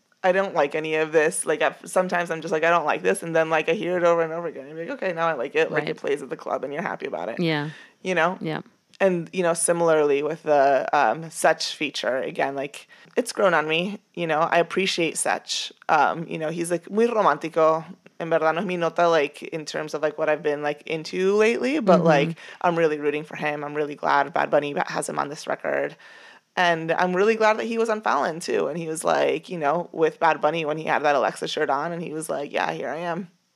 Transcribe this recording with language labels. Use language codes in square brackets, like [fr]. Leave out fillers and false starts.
[en] I don't like any of this. Like, sometimes I'm just like, I don't like this. And then, like, I hear it over and over again. I'm like, okay, now I like it. Like, right. It plays at the club and you're happy about it. Yeah. You know? Yeah. And, you know, similarly with the Sech feature, again, like, it's grown on me. You know, I appreciate Sech. You know, he's, like, [es] muy romántico. En verdad no es mi nota, [en] like, in terms of, like, what I've been, like, into lately. But, mm-hmm. like, I'm really rooting for him. I'm really glad Bad Bunny has him on this record. And I'm really glad that he was on Fallon, too. And he was, like, you know, with Bad Bunny when he had that Alexa shirt on. And he was, like, yeah, here I am.